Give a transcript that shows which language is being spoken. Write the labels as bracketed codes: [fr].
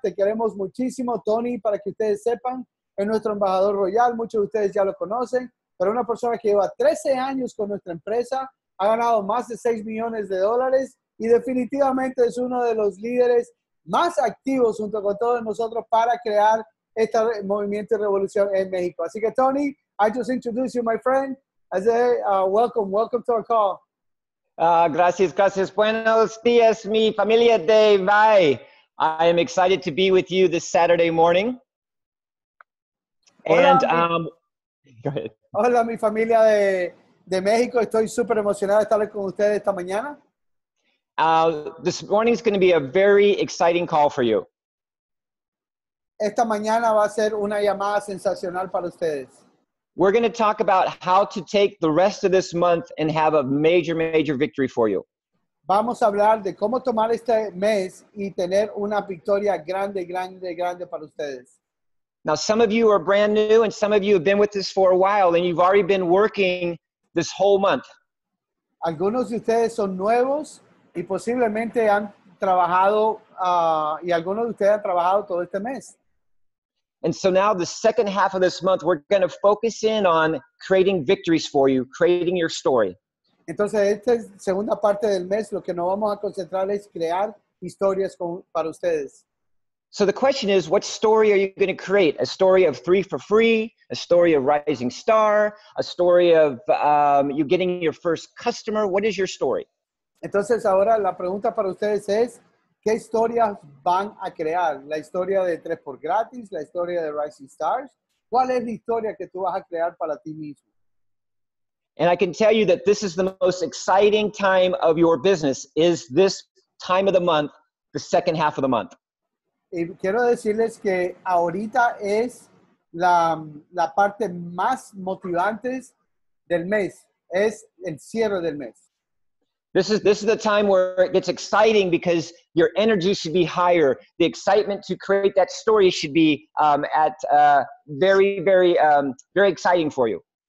[es] Te queremos muchísimo, Tony, para que ustedes sepan, es nuestro embajador royal. Muchos de ustedes ya lo conocen, pero una persona que lleva 13 años con nuestra empresa, ha ganado más de 6 millones de dólares y definitivamente es uno de los líderes más activos junto con todos nosotros para crear este movimiento y revolución en México. Así que, [en] Tony, I just introduced you, my friend. I say, welcome to our call. [es] Gracias, gracias. Buenos días, mi familia de Valle. [en] I am excited to be with you this Saturday morning. [es] Hola, [en] Go ahead. [es] mi familia de México. Estoy súper emocionado de estar con ustedes esta mañana. [en] This morning is going to be a very exciting call for you. [es] Esta mañana va a ser una llamada sensacional para ustedes. [en] We're going to talk about how to take the rest of this month and have a major, major victory for you. [es] Vamos a hablar de cómo tomar este mes y tener una victoria grande, grande, grande para ustedes. [en] Now, some of you are brand new and some of you have been with us for a while and you've already been working this whole month. [es] Algunos de ustedes son nuevos y posiblemente han trabajado y algunos de ustedes han trabajado todo este mes. [en] And so now the second half of this month, we're going to focus in on creating victories for you, creating your story. [es] Entonces, esta es segunda parte del mes, lo que nos vamos a concentrar es crear historias para ustedes. [en] So the question is, what story are you going to create? A story of three for free, a story of rising star, a story of you getting your first customer. What is your story? [es] Entonces, ahora la pregunta para ustedes es, ¿qué historias van a crear? ¿La historia de 3x gratis? ¿La historia de Rising Stars? ¿Cuál es la historia que tú vas a crear para ti mismo? [en] And I can tell you that this is the most exciting time of your business, is this time of the month, the second half of the month. [es] Y quiero decirles que ahorita es la parte más motivante del mes. Es el cierre del mes. [en] This is the time where it gets exciting because your energy should be higher. The excitement to create that story should be very, very, very exciting for you.